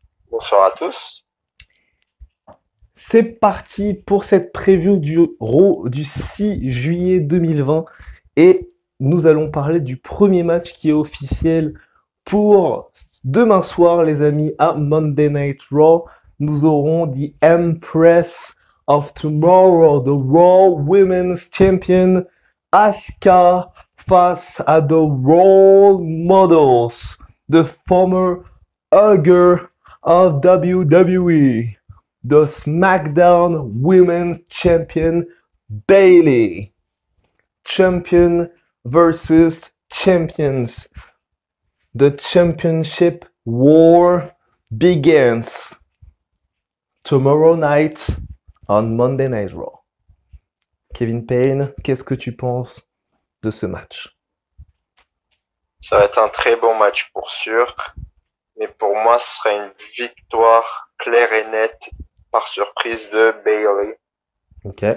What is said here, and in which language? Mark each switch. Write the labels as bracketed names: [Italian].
[French] Bonsoir à tous. C'est parti pour cette preview du Raw du 6 juillet 2020, et nous allons parler du premier match qui est officiel pour demain soir, les amis, à Monday Night Raw. Nous aurons The Empress of Tomorrow, the Raw Women's Champion, Asuka face à the Raw Models, the former Hugger of WWE, the SmackDown Women's Champion, Bayley, [English] Champion versus Champions, the Championship War begins tomorrow night. On Monday Night Raw. [French] Kevin Payne, qu'est-ce que tu penses de ce match? Ça va être un très bon match pour sûr, mais pour moi, ce serait une victoire claire et nette par surprise de Bayley. Ok.